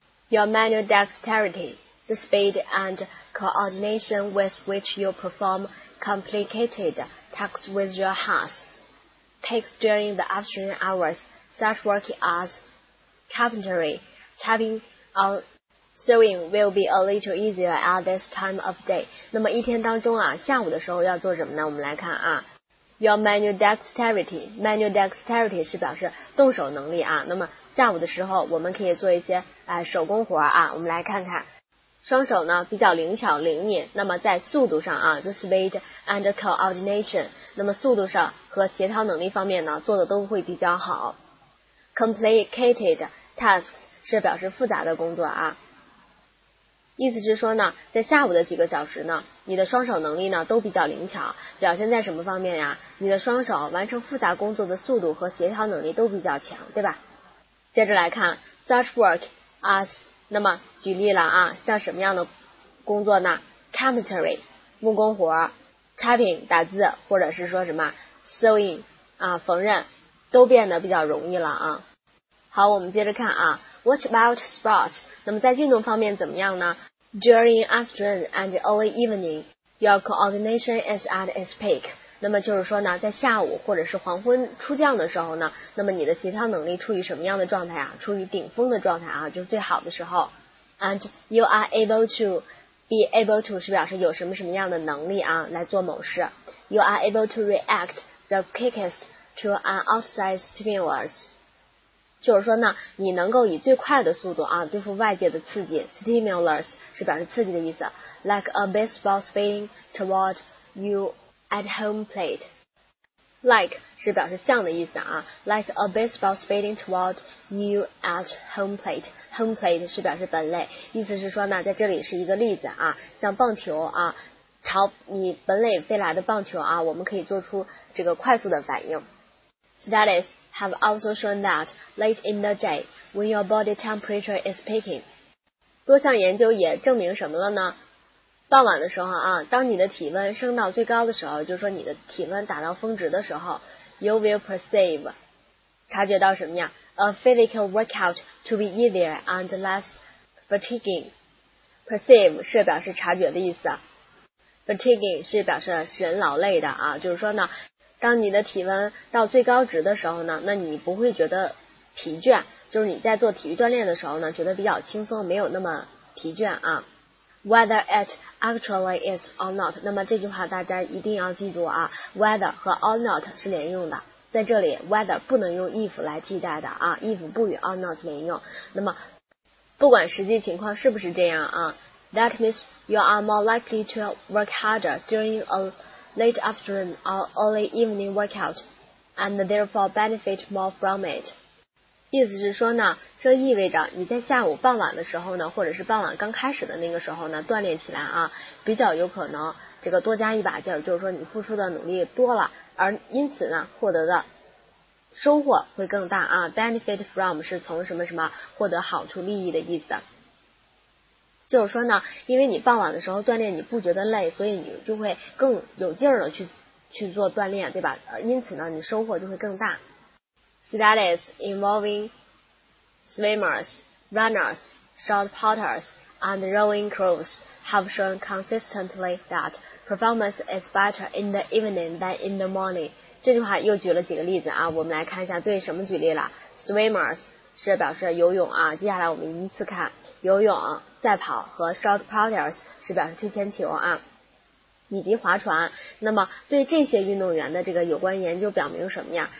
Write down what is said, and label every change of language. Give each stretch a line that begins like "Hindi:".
English: Your manual dexterity, the speed and coordination with which you perform complicated tasks with your hands, takes during the afternoon hours, such work as carpentry, typing on sewing will be a little easier at this time of day.
Chinese: 那么一天当中啊，下午的时候要做什么呢？我们来看啊 ，
English: Your manual dexterity.
Chinese: Manual dexterity 是表示动手能力啊。那么下午的时候，我们可以做一些手工活啊。我们来看看，双手呢比较灵巧灵敏。那么在速度上啊 ，
English: the speed and coordination.
Chinese: 那么速度上和协调能力方面呢，做的都会比较好。 Complicated tasks 是表示复杂的工作啊。意思是说呢在下午的几个小时呢你的双手能力呢都比较灵巧，表现在什么方面呀？你的双手完成复杂工作的速度和协调能力都比较强，对吧？接着来看
English: such work as,
Chinese: 那么举例了啊，像什么样的工作呢？ carpentry 木工活， typing 打字，或者是说什么 sewing 啊缝纫，都变得比较容易了啊。好，我们接着看啊。
English: What about sports?
Chinese: 那么在运动方面怎么样呢？
English: During afternoon and early evening, your coordination is at its peak.
Chinese: 那么就是说呢，在下午或者是黄昏初降的时候呢，那么你的协调能力处于什么样的状态啊？处于顶峰的状态啊，就是最好的时候。
English: And you are able to,
Chinese: be able to 是表示有什么什么样的能力啊，来做某事。
English: You are able to react the quickest to an outside stimulus.
Chinese: 就是说呢你能够以最快的速度啊对付外界的刺激 stimulus 是表示刺激的意思
English: like a baseball swing toward you at home plate
Chinese: like 是表示像的意思啊 like a baseball swing toward you at home plate home plate 是表示本垒，意思是说呢在这里是一个例子啊，像棒球啊朝你本垒飞来的棒球啊，我们可以做出这个快速的反应。
English: studies have also shown that late in the day, when your body temperature is peaking.
Chinese: 多项研究也证明什么了呢？傍晚的时候啊，当你的体温升到最高的时候，就是说你的体温达到峰值的时候，
English: you will perceive,
Chinese: 察觉到什么呀？
English: A physical workout to be easier and less fatiguing.
Chinese: Perceive 是表示察觉的意思， fatiguing 是表示使人劳累的啊，就是说呢当你的体温到最高值的时候呢，那你不会觉得疲倦，就是你在做体育锻炼的时候呢，觉得比较轻松，没有那么疲倦啊。
English: Whether it actually is or not,
Chinese: 那么这句话大家一定要记住啊， whether 和 or not 是连用的，在这里 whether 不能用 if 来替代的啊， if 不与 or not 连用。那么不管实际情况是不是这样啊，
English: That means you are more likely to work harder during a late afternoon or early evening workout, and therefore benefit more from it.
Chinese: 意思是说呢，这意味着你在下午傍晚的时候呢，或者是傍晚刚开始的那个时候呢，锻炼起来啊，比较有可能这个多加一把劲儿，就是说你付出的努力多了，而因此呢，获得的收获会更大啊。 benefit from 是从什么什么获得好处利益的意思。就是说呢，因为你傍晚的时候锻炼你不觉得累，所以你就会更有劲儿的去做锻炼，对吧？而因此呢，你收获就会更大。
English: Studies involving swimmers, runners, short putters, and rowing crews have shown consistently that performance is better in the evening than in the morning.
Chinese: 这句话又举了几个例子啊，我们来看一下对什么举例了。 Swimmers 是表示游泳啊，接下来我们依次看游泳、赛跑和 short putters 是表示推铅球啊。以及划船，那么对这些运动员的这个有关研究表明什么呀？